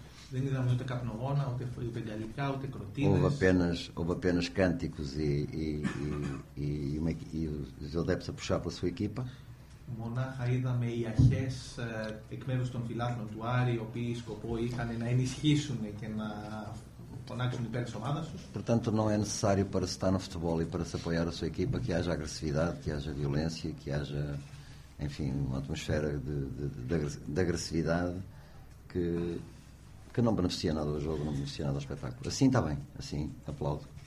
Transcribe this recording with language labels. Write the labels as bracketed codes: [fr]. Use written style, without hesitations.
[el] Δεν είδαμε ούτε καπνογόνα, ούτε πενταλικά, ούτε κροτίνες. [pt] Houve apenas cânticos e os adeptos a puxar pela sua equipa. [el] Μονάχα είδαμε οι αρχές εκ μέρους των φιλάθλων του Άρη, οι οποίοι σκοπό είχαν να ενισχύσουν και να φωνάξουν υπέρ της ομάδας τους. [pt] Portanto, não é necessário para estar no futebol e para se apoiar a sua equipa que haja agressividade, que haja violência, que haja, enfim, uma atmosfera de agressividade que não beneficia nada do jogo, não beneficia nada do espetáculo. Assim está bem, assim, aplaudo.